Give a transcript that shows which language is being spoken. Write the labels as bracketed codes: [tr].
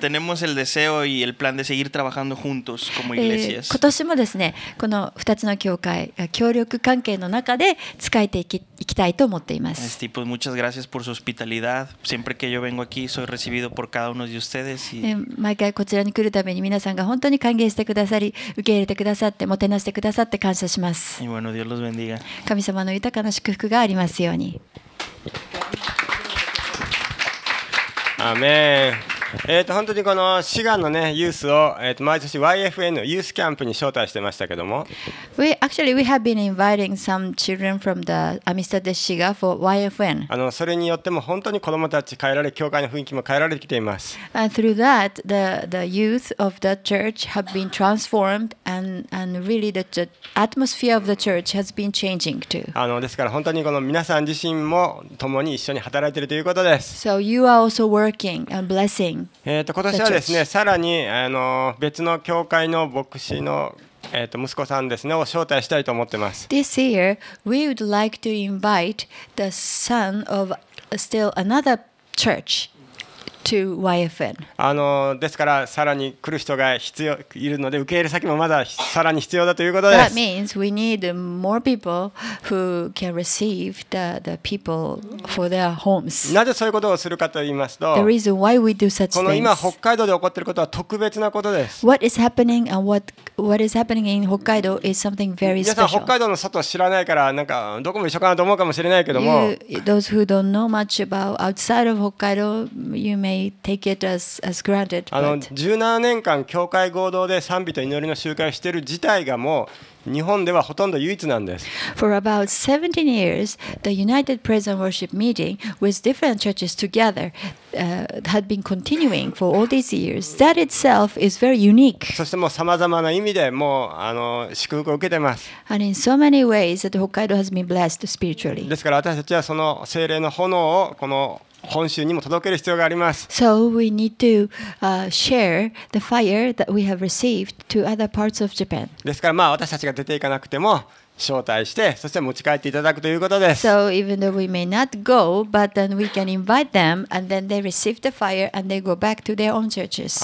[es] Tenemos el deseo y el plan de seguir trabajando juntos como iglesias. [ja] 今年もですね、この2つの教会が協力関係の中で使えていきたいと思っています。 [es] Este, pues muchas gracias por su hospitalidad. Siempre que yo vengo aquí, soy recibido por cada uno de ustedes. Y... [ja] 毎回こちらに来るために皆さんが本当に歓迎してくださり、受け入れてくださって、もてなしてくださって感謝します。 [es] Y bueno, Dios los bendiga. [ja] 神様の豊かな祝福がありますように。アメン。本当にこの滋賀の、ね、ユースを、毎年 YFN ユースキャンプに招待してましたけども [en] We, actually we have been inviting some children from the Amistad de Shiga for YFN [ja] それによっても本当に子どもたち変えられ、教会の雰囲気も変えられてきています。 [en] And through that the youth of the church have been transformed and really the atmosphere of the church has been changing too [ja] ですから本当にこの皆さん自身も共に一緒に働いているということです。 [en] So you are also working and blessing [ja] 今年はですね、さらに別の教会の牧師の息子さんですね、を招待したいと思ってます。 [en] This year, we would like to invite the son of still another church to YFN. [ja] あのですからさらに来る人が必要いるので受け入れ先もまださらに必要だということです。 [en] That means we need more people who can receive the people for their homes. [ja] なぜそういうことをするかと言いますと、 [en] The reason why we do such things. [ja] この今北海道で起こっていることは特別なことです。 [en] What is happening and what is happening in Hokkaido is something very special. [ja] 皆さん北海道の外知らないからなんかどこも一緒かなと思うかもしれないけども、 [en] Those who don't know much about outside of Hokkaido, you may take it as granted. [ja] あの17年間教会合同で賛美と祈りの集会をしている自体がもう日本ではほとんど唯一なんです。 [en] For about 17 years, the United Prison Worship Meeting with different churches together had been continuing for all these years. That itself is very unique. [ja] そしてもう様々な意味でもうあの祝福を受けてます。 [en] And in so many ways that Hokkaido has been blessed spiritually. [ja] ですから私たちはその聖霊の炎をこの本州にも届ける必要があります。 [en] So we need to share the fire that we have received to other parts of Japan. [ja] ですからまあ私たちが出ていかなくても招待して、そして持ち帰っていただくということです。 [en] So even though we may not go, but then we can invite them, and then they receive the fire and they go back to their own churches.